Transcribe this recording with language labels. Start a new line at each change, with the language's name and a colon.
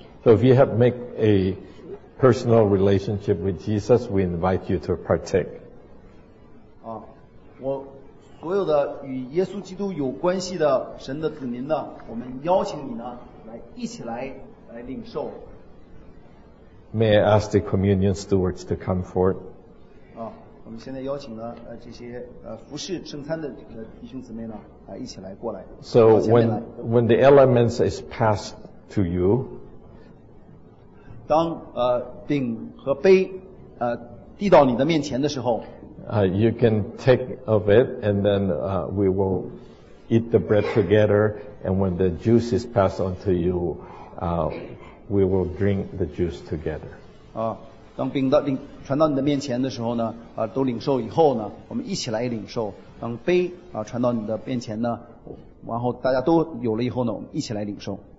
English: So if you have made a personal relationship with Jesus, we invite you to partake.
Chinese: 我所有的与耶稣基督有关系的神的子民呢，我们邀请你呢，来一起来领受。
English: May I ask the communion stewards to come forward?
Chinese: 我们现在邀请呢这些服侍圣餐的弟兄姊妹呢，一起来过来。
English: So when the elements is passed to you,
Chinese: 当饼和杯递到你的面前的时候。
English: You can take of it and then we will eat the bread together and when the juice is passed on to you, we will drink the juice together.
Chinese: 当饼到传到你的面前的时候呢，都领受以后呢，我们一起来领受。当杯传到你的面前呢，然后大家都有了以后呢，我们一起来领受。